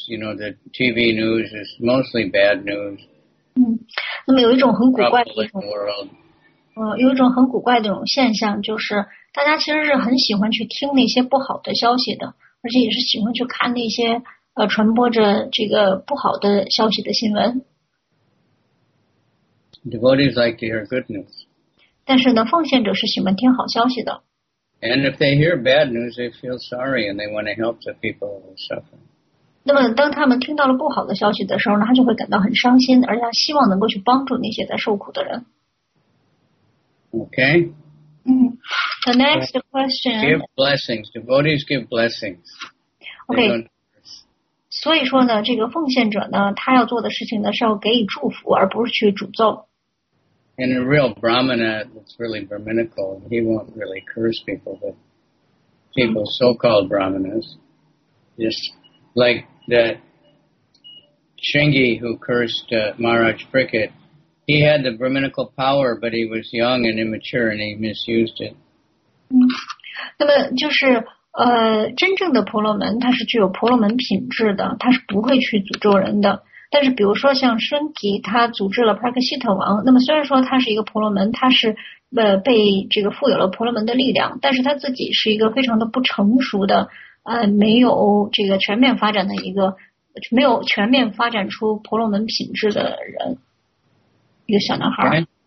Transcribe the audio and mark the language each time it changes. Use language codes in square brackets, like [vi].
[en] You know, the TV news is mostly bad news. [zh] 那么有一种很古怪的 [en] world. [zh] 有一种很古怪的种现象，就是大家其实是很喜欢去听那些不好的消息的，而且也是喜欢去看那些。传播着这个不好的消息的新闻。 [en] Devotees like to hear good news. [zh] 但是呢，奉献者是喜欢听好消息的。 [en] And if they hear bad news, they feel sorry and they want to help the people who suffer. [zh] 那么当他们听到了不好的消息的时候呢，他就会感到很伤心，而且希望能够去帮助那些在受苦的人。 [en] Okay. The next question. Give blessings. Devotees give blessings. Okay. [zh] 所以说呢，这个奉献者呢，他要做的事情呢，是要给予祝福，而不是去诅咒。 [en] And a real Brahmana, it's really Brahminical. He won't really curse people, but people so-called Brahmanas, just like that Shingi who cursed Maharaj Prickett, he had the Brahminical power, but he was young and immature, and he misused it. [zh] 那么就是。真正的婆罗门他是具有婆罗门品质的，他是不会去诅咒人的。但是比如说像孙吉，他诅咒了帕克希特王，那么虽然说他是一个婆罗门，他是被这个富有了婆罗门的力量，但是他自己是一个非常的不成熟的没有这个全面发展的一个没有全面发展出婆罗门品质的人，一个小男孩。